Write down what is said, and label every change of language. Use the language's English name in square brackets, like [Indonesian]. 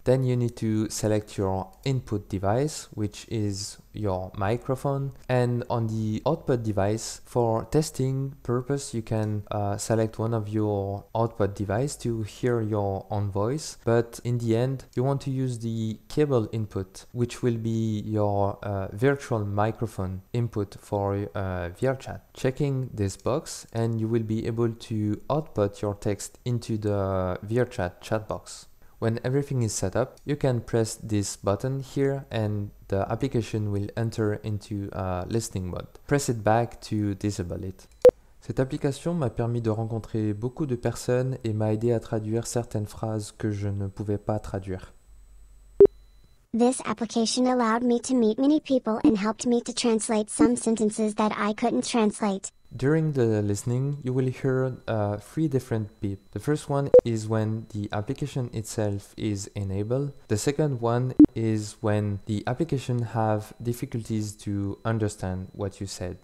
[English] Then you need to select your input device, which is your microphone, and on the output device, for testing purpose, you can select one of your output device to hear your own voice, but in the end you want to use the cable input, which will be your virtual microphone input for VRChat. Checking this box, and you will be able to output your text into the VRChat chatbox. When everything is set up, you can press this button here and the application will enter into listening mode. Press it back to disable it. [French] Cette application m'a permis de rencontrer beaucoup de personnes et m'a aidé à traduire certaines phrases que je ne pouvais pas traduire. [English] This application allowed me to meet many people and helped me to translate some sentences that I couldn't translate. During the listening, you will hear three different beeps. The first one is when the application itself is enabled. The second one is when the application have difficulties to understand what you said.